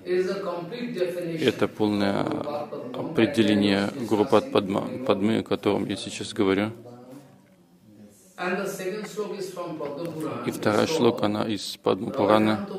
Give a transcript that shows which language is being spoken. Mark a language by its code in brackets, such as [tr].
[ru] Это полное определение Гуру Пад Падмы, о котором я сейчас говорю. [en] And the second shloka is from Padma Purana. [ru] И вторая шлока, она из Падма Пураны.